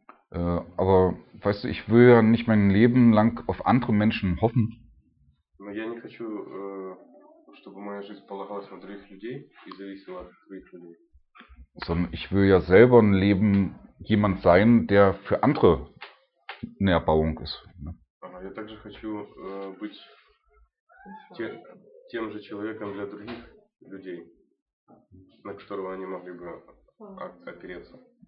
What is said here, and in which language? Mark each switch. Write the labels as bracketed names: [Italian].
[German] Aber weißt du, ich will ja nicht mein Leben lang auf andere Menschen hoffen. [Russian] Но я не хочу, чтобы моя жизнь полагалась на других людей и зависела от других людей. [German] Sondern ich will ja selber ein Leben jemand sein, der für andere eine Erbauung ist. [Russian] Я также хочу быть тем же человеком для других людей, на которого они могли бы опереться.